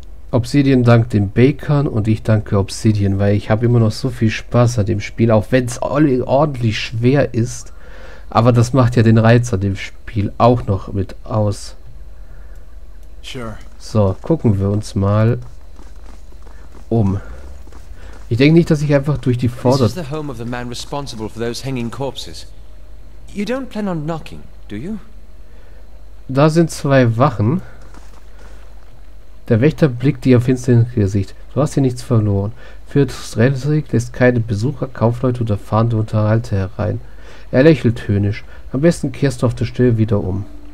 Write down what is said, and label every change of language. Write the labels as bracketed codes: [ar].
[de] Obsidian dankt dem Bakern und ich danke Obsidian, weil ich habe immer noch so viel Spaß an dem Spiel, auch wenn es ordentlich schwer ist. Aber das macht ja den Reiz an dem Spiel auch noch mit aus. [en] Sure. [de] So, gucken wir uns mal um. Ich denke nicht, dass ich einfach durch die Vorder... [en] This is the home of the man responsible for those hanging corpses. You don't plan on knocking, do you? [de] Da sind zwei Wachen. Der Wächter blickt dir finster ins Gesicht. Du hast hier nichts verloren. Fürst Redrick lässt keine Besucher, Kaufleute oder fahrende Unterhalter herein. Er lächelt höhnisch. Am besten kehrst du auf der Stelle wieder um.